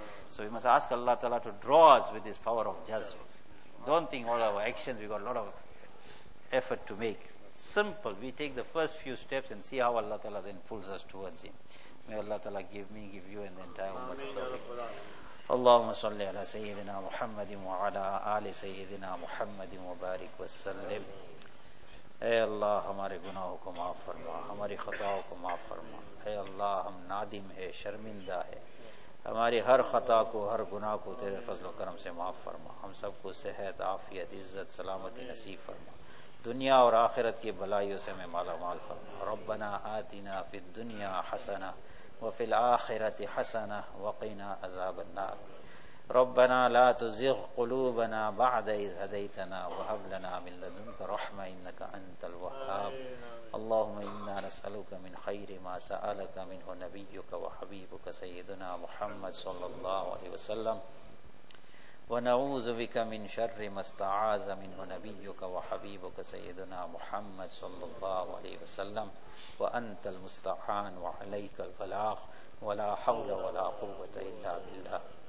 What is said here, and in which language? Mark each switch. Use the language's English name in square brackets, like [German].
[English] So we must ask Allah Ta'ala to draw us with His power of jazm. Don't think all our actions, we got a lot of effort to make. simple. We take the first few steps and see how Allah Ta'ala then pulls us towards Him. May Allah Ta'ala give me, give you, and the entire ummah. [Arabic] اللهم صل على سيدنا محمد وعلى آل سيدنا محمد وبارك وسلم. [Urdu] اے اللہ ہمارے گناہوں کو معاف فرما, ہماری خطاؤں کو معاف فرما. اے اللہ ہم نادم ہے, شرمندہ ہے, ہماری ہر خطا کو ہر گناہ کو تیرے فضل و کرم سے معاف فرما. ہم سب کو صحت عافیت عزت سلامتی نصیب فرما, دنیا اور آخرت کی بلائیوں سے ہمیں مالا مال فرما. [Arabic] ربنا آتنا فی الدنیا حسنا وفي الآخرة حسنة وقنا عذاب النار. ربنا لا تزغ قلوبنا بعد إذ هديتنا وهب لنا من لدنك رحمة إنك أنت الوهاب. اللهم إنا نسألك من خير ما سألك منه نبيك وحبيبك سيدنا محمد صلى الله عليه وسلم, ونعوذ بك من شر ما استعاذ منه نبيك وحبيبك سيدنا محمد صلى الله عليه وسلم, وانت المستعان وعليك البلاغ ولا حول ولا قوه الا بالله.